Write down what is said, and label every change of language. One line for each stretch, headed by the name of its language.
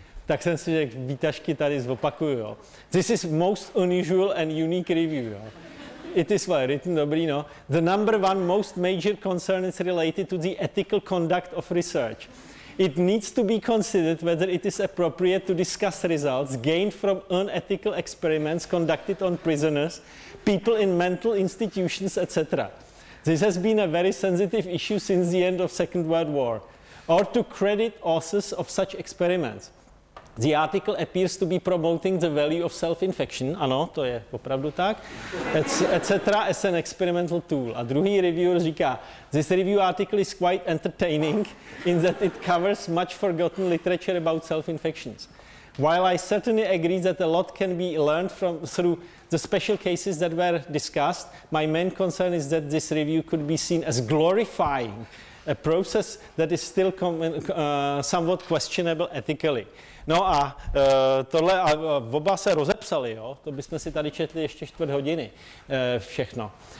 Czech: Tak jsem si řekl, výtažky tady zopakuju, jo.
English: This is most unusual and unique review,
Czech: jo. i ty svoje rytmy, dobrý, no.
English: The number one most major concern is related to the ethical conduct of research. It needs to be considered whether it is appropriate to discuss results gained from unethical experiments conducted on prisoners, people in mental institutions, etc. This has been a very sensitive issue since the end of Second World War, or to credit authors of such experiments. The article appears to be promoting the value of self-infection,
Czech: ano, to je opravdu tak,
English: etc. as an experimental tool.
Czech: A druhý reviewer říká,
English: this review article is quite entertaining in that it covers much forgotten literature about self-infections. While I certainly agree that a lot can be learned from through the special cases that were discussed, my main concern is that this review could be seen as glorifying a process that is still somewhat questionable ethically.
Czech: No a tohle, a oba se rozepsali, jo? To bychom si tady četli ještě čtvrt hodiny, všechno.